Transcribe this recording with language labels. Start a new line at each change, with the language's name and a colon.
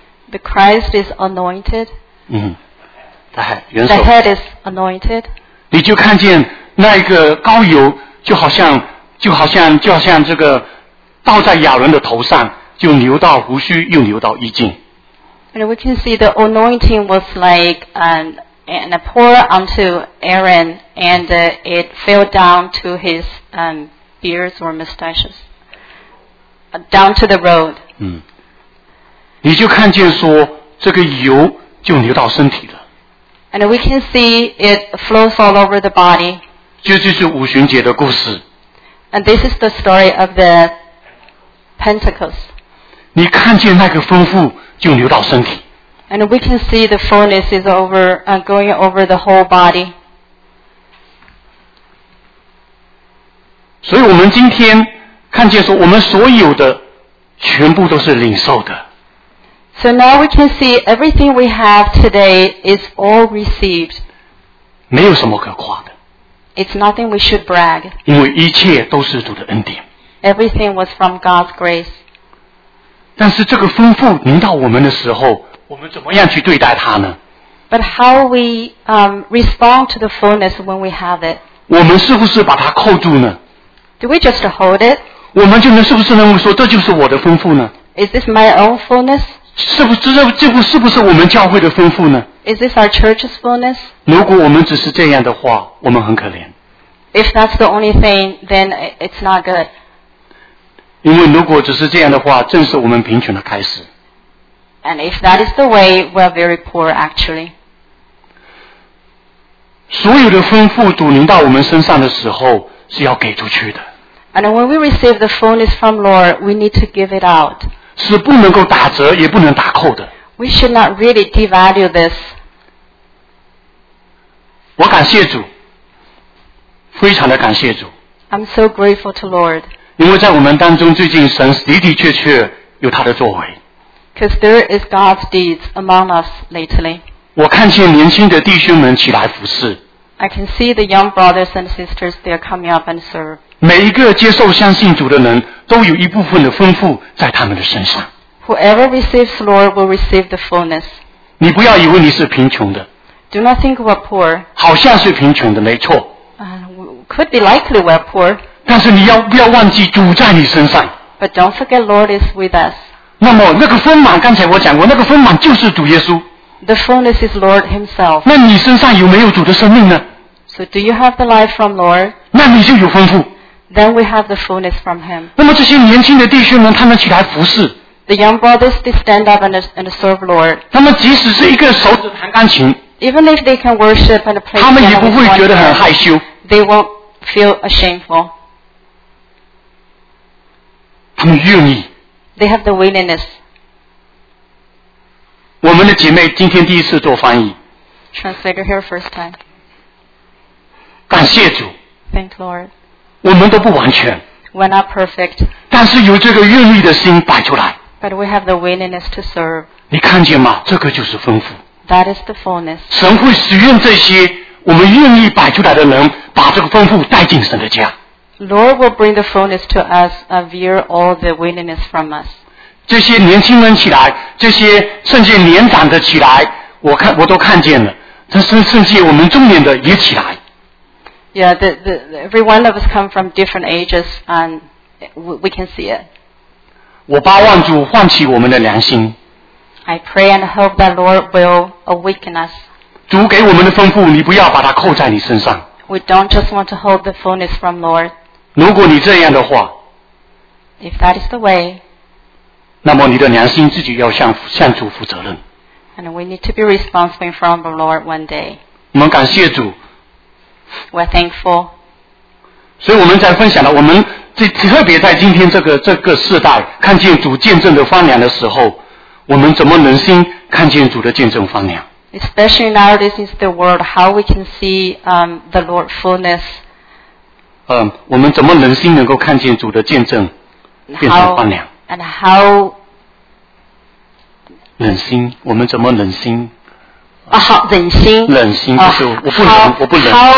English: The Christ is anointed.
Chinese: 元首。
English: The head is anointed.
Chinese: 你就看见那个膏油就好像这个倒在亚伦的头上，就流到胡须，又流到衣襟。
English: And we can see the anointing was like and pour onto Aaron, and it fell down to his beards or mustaches, down to the road.
Chinese: 你就看见说这个油就流到身体了。
English: And we can see it flows all over the body.
Chinese: 就是五旬节的故事。
English: And this is the story of the Pentecost.
Chinese: 你看见那个丰富就流到身体。
English: And we can see the fullness is over, going over the whole body.
Chinese: 所以我们今天看见说我们所有的全部都是领受的。
English: So now we can see everything we have today is all received.
Chinese: 没有什么可夸的。
English: It's nothing we should brag.
Chinese: 因为一切都是主的恩典。
English: Everything was from God's grace.
Chinese: 但是这个丰富临到我们的时候，我们怎么样去对待它呢？
English: But how we respond to the fullness when we have it?
Chinese: 我们是不是把它扣住呢？
English: Do we just hold it?
Chinese: 我们就能是不是能够说这就是我的丰富呢？
English: Is this my own fullness?
Chinese: 是不是我们教会的丰富呢？
English: Is this our church's fullness?
Chinese: 如果我们只是这样的话，我们很可怜。
English: If that's the only thing, then it's not good.
Chinese: 因为如果只是这样的话，正是我们贫穷的开始。
English: And if that is the way, we are very poor actually.
Chinese: 所有的丰富主临到我们身上的时候是要给出去的。
English: And when we receive the fullness from Lord, we need to give it out.
Chinese: 是不能够打折也不能打扣的。
English: We should not really devalue this.
Chinese: 我感谢主，非常的感谢主。
English: I'm so grateful to Lord.
Chinese: 因为在我们当中最近神的的确确有他的作为。
English: Because there is God's deeds among us lately.
Chinese: 我看见年轻的弟兄们起来服事。
English: I can see the young brothers and sisters, they are coming up and serve.
Chinese: 每一个接受相信主的人都有一部分的丰富在他们的身上。
English: Whoever receives the Lord will receive the fullness.
Chinese: 你不要以为你是贫穷的。
English: Do not think we are poor.
Chinese: 好像是贫穷的，没错。
English: Could be likely we are poor.
Chinese: 但是你要不要忘记主在你身上。
English: But don't forget Lord is with us.
Chinese: 那么那个丰满，刚才我讲过，那个丰满就是主耶稣。
English: The fullness is Lord Himself.
Chinese: 那你身上有没有主的生命呢？
English: So do you have the life from Lord?
Chinese: 那你就有丰富。
English: Then we have the fullness from Him.
Chinese: 那么这些年轻的弟兄们，他们起来服事。
English: The young brothers, they stand up and serve Lord.
Chinese: 他们即使是一个手指弹钢琴。
English: Even if they can worship and play piano,
Chinese: 他们也不会觉得很害羞。
English: They won't feel ashamed.
Chinese: 他们愿意。
English: They have the willingness.
Chinese: 我们的姐妹今天第一次做翻译。
English: Translator here first time.
Chinese: 感谢主。
English: Thank Lord.
Chinese: 我们都不完全。
English: We're not perfect.
Chinese: 但是有这个愿意的心摆出来。
English: But we have the willingness to serve.
Chinese: 你看见吗？这个就是丰富。
English: That is the fullness.
Chinese: 神会使用这些我们愿意摆出来的人，把这个丰富带进神的家。
English: Lord will bring the fullness to us via all the willingness from us.
Chinese: 这些年轻人起来，这些甚至年长的起来，我都看见了。甚至我们中年的也起来。
English: Yeah, every one of us come from different ages, and we can see it.
Chinese: 我巴望主唤起我们的良心。
English: I pray and hope that Lord will awaken us.
Chinese: 主给我们的丰富，你不要把它扣在你身上。
English: We don't just want to hold the fullness from Lord.
Chinese: 如果你这样的话
English: ，If that is the way，
Chinese: 那么你的良心自己要向主负责任。
English: And we need to be responsible in front of the Lord one day.
Chinese: 我们感谢主。
English: We're thankful.
Chinese: 所以我们才分享了我们。特别在今天这个世代看见主见证的荒凉的时候，我们怎么能心看见主的见证荒凉？
English: Especially nowadays in the world, how we can see the Lord's fullness?
Chinese: 我们怎么能心能够看见主的见证变成荒凉？
English: And how
Chinese: 忍心？我们怎么忍心？忍心？忍心就是我不忍，我不忍。